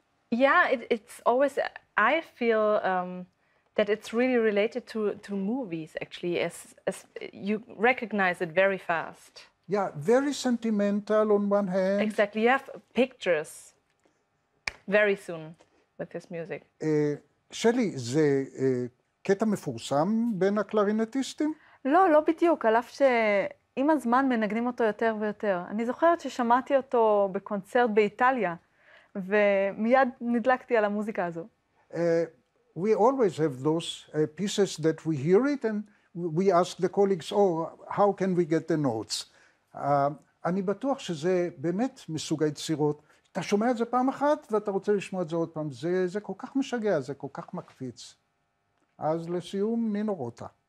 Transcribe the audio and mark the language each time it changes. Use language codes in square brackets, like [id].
[en] Yeah, it's always, I feel that it's really related to movies, actually, as you recognize it very fast. Yeah, very sentimental on one hand. Exactly, you have pictures very soon with this music. [he] Shelley, זה קטע מפורסם בין הקלרינטיסטים? לא, לא בדיוק, על אף שעם הזמן מנגנים אותו יותר ויותר. אני זוכרת ששמעתי אותו בקונצרט באיטליה, ומיד נדלקתי על המוזיקה הזו. [en] We always have those pieces that we hear it, and we ask the colleagues, oh, how can we get the notes? [he] אני בטוח שזה באמת מסוג היצירות. אתה שומע את זה פעם אחת, ואתה רוצה לשמוע את זה עוד פעם. זה כל כך משגע, זה כל כך מקפיץ. אז לסיום, נינו רוטה.